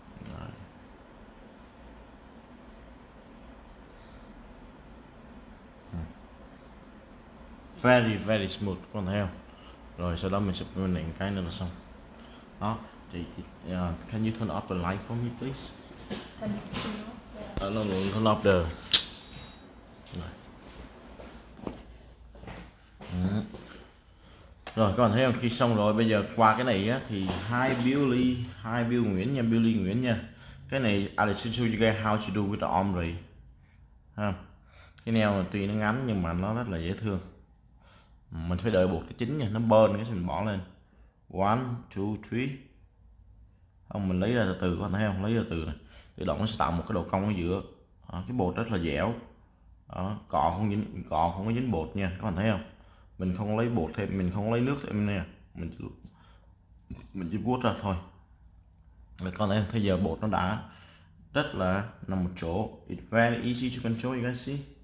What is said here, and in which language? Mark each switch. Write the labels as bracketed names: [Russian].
[Vietnamese] Rồi. [English] very very smooth [Vietnamese] con heo. Rồi sau đó mình sẽ mình đánh cái nữa là xong. [English] Đó, thì can you turn off the light for me please? Turn off the light. Turn off the. [Vietnamese] Rồi các bạn thấy không, khi xong rồi bây giờ qua cái này á thì hai Billy Nguyễn nha, Billy Nguyễn nha. [English] Cái này I'll teach you guys how to do with the ombre. Ha. [Vietnamese] Cái nail này tuy nó ngắn nhưng mà nó rất là dễ thương. Mình phải đợi buộc cái chính nha, nó burn cái mình bỏ lên. 1 2 3. Không, mình lấy ra từ từ, các bạn thấy không? Lấy ra từ này. Tự động nó sẽ tạo một cái độ cong ở giữa. Đó, cái bột rất là dẻo. Đó, cọ không có dính bột nha, các bạn thấy không? Mình không lấy bột thêm, mình không lấy nước thêm nè, mình chỉ vuốt ra thôi. Và con này bây giờ bột nó đã rất là nằm một chỗ. [English] It's very easy to control, you guys see.